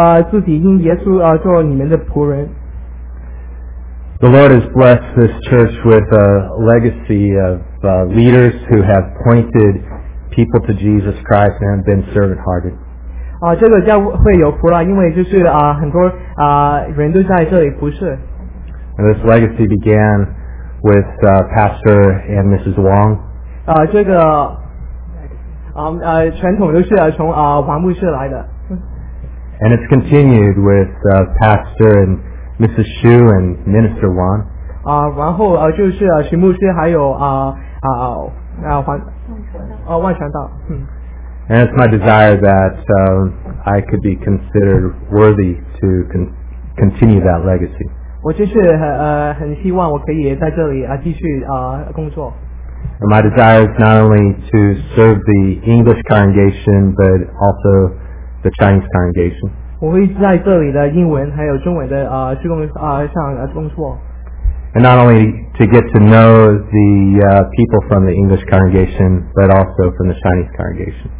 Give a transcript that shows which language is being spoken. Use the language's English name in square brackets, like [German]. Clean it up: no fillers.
[Chinese] 自己因耶稣做你们的仆人。 [English] The Lord has blessed this church with a legacy of leaders who have pointed people to Jesus Christ and been servant-hearted. [Chinese] 这个教会有福了，因为就是很多人都在这里服侍。 [English] And this legacy began with Pastor and Mrs. Wong. [Chinese] 这个传统都是从王牧师来的。 [English] And it's continued with Pastor and Mrs. Shu and Minister Wan. [Chinese] 然后就是徐牧师还有万传道。 [English] And it's my desire that I could be considered worthy to continue that legacy. [Chinese] 我就是很希望我可以在这里继续工作。 [English] And my desire is not only to serve the English congregation, but also... The Chinese congregation. [Chinese] 我会在这里的英文还有中文的施工上工作。 [English] And not only to get to know the people from the English congregation, but also from the Chinese congregation.